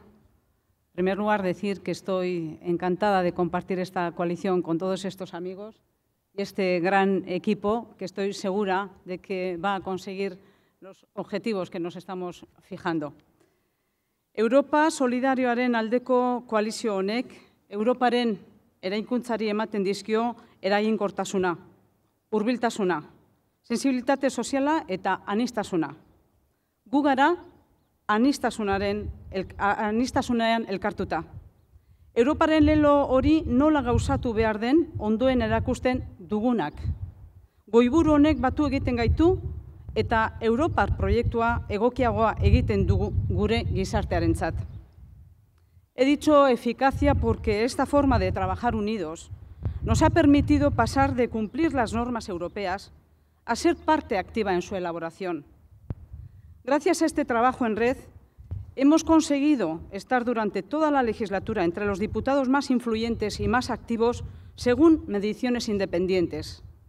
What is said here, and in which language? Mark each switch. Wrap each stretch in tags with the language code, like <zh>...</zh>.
<es>En primer lugar, decir que estoy encantada de compartir esta coalición con todos estos amigos y este gran equipo, que estoy segura de que va a conseguir los objetivos que nos estamos fijando.</es> <eu>Europa solidarioaren aldeko koalizio honek, Europaren eraikuntzari ematen dizkio eraginkortasuna, hurbiltasuna, sensibilitate soziala eta anistasuna. Gu gara anistasunean elkartuta. Europaren lelo hori nola gauzatu behar den ondoen erakusten dugunak. Goiburu honek batu egiten gaitu eta Europar proiektua egokiagoa egiten dugu gure gizartearentzat.</eu> <es>He dicho eficacia porque esta forma de trabajar unidos nos ha permitido pasar de cumplir las normas europeas a ser parte activa en su elaboración. Gracias a este trabajo en red, hemos conseguido estar durante toda la legislatura entre los diputados más influyentes y más activos según mediciones independientes.</es>